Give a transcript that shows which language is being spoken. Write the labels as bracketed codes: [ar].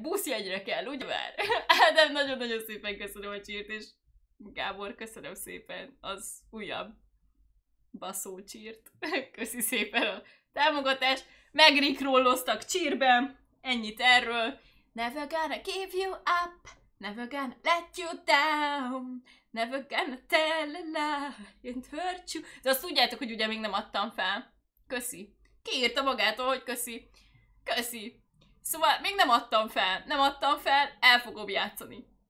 [hu] Buszjegyre kell, ugye már? Ádám, nagyon-nagyon szépen köszönöm a csírt, és Gábor, köszönöm szépen az újabb baszó csírt. Köszi szépen a támogatást. Megrikrolloztak csírben. Ennyit erről. [en] Never gonna give you up. Never gonna let you down. Never gonna tell a lie and hurt you. [hu] De azt tudjátok, hogy ugye még nem adtam fel. Köszi. Kiírta magától, hogy köszi. Köszi. Szóval még nem adtam fel. Nem adtam fel, el fogom játszani.